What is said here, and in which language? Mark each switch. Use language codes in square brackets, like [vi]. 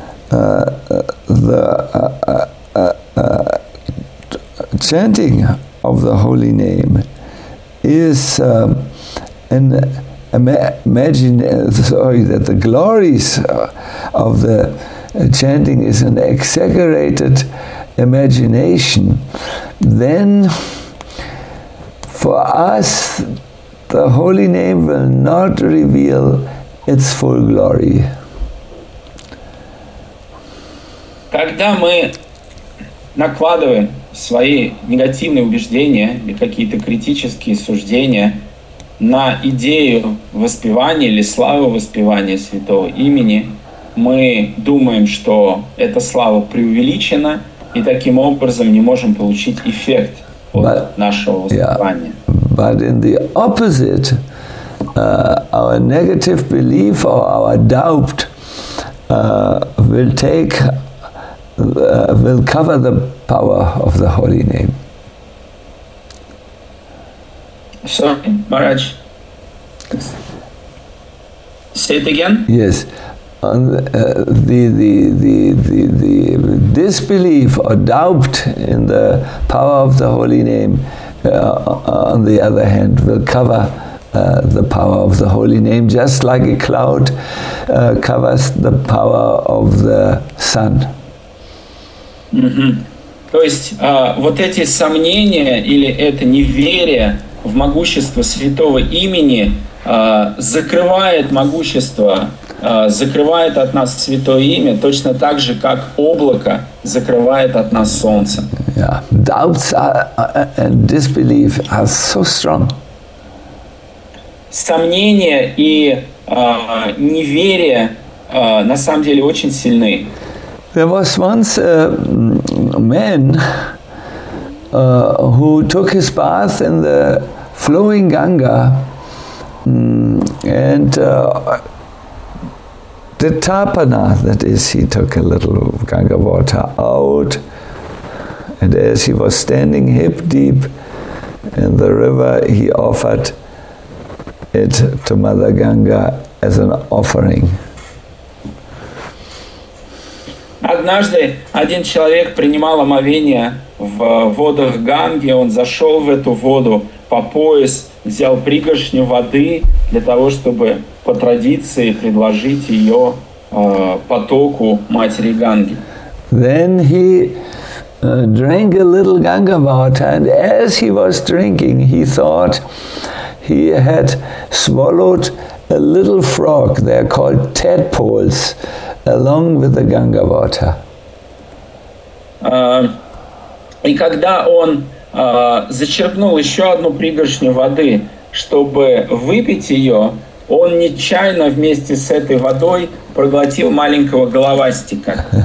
[en] the chanting of the holy name is that the glories of the chanting is an exaggerated imagination, then for us the holy name will not reveal its full glory. [ru] Когда мы накладываем свои негативные убеждения или какие-то критические суждения на идею воспевания или славы воспевания святого имени, мы думаем, что эта слава преувеличена, и таким образом не можем получить эффект от нашего воспевания. [en] Yeah. But in the opposite, our negative belief or our doubt will cover the power of the holy name. So, Maharaj, say it again. Yes. The disbelief or doubt in the power of the holy name, on the other hand, will cover the power of the holy name, just like a cloud covers the power of the sun. [ru] То есть вот эти сомнения или это неверие в могущество святого имени закрывает могущество, закрывает от нас святое имя, точно так же, как облако закрывает от нас солнце. [en] Yeah. Doubts and disbelief are so strong. [ru] Сомнения и неверие на самом деле очень сильны. [en] There was once a man who took his bath in the flowing Ganga and the tapana, that is, he took a little Ganga water out, and as he was standing hip deep in the river, he offered it to Mother Ganga as an offering. [ru] Однажды один человек принимал омовение в водах Ганги, он зашел в эту воду по пояс, взял пригоршню воды для того, чтобы по традиции предложить ее потоку матери Ганги. [en] Then he drank a little Ganga water, and as he was drinking, he thought he had swallowed a little frog. They are called tadpoles, along with the Ganga water. [ru] И когда он зачерпнул еще одну пригоршню воды, чтобы выпить ее, он нечаянно вместе с этой водой проглотил маленького головастика.